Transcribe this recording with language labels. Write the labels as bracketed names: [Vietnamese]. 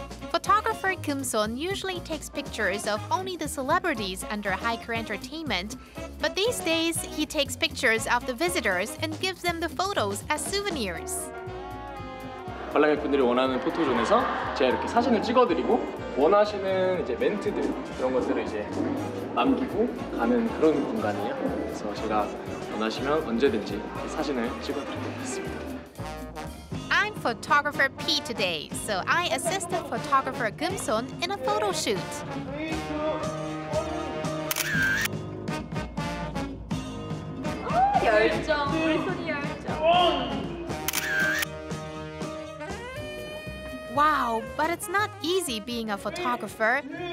[English] Photographer 금손 usually takes pictures of only the celebrities under HiKR Entertainment, but these days he takes pictures of the visitors and gives them the photos as souvenirs. [Korean] 관람객 분들이 원하는 포토존에서 제가 이렇게 사진을 찍어드리고 원하시는 이제 멘트들 그런 것들을 이제 남기고 가는 그런 공간이에요. 그래서 제가 원하시면 언제든지 사진을 찍어드리겠습니다. [English] I'm photographer P today, so I assisted photographer 금손 in a photo shoot. [Korean] Oh, 열정, 우리 손이 열정. [English] Wow, but it's not easy being a photographer.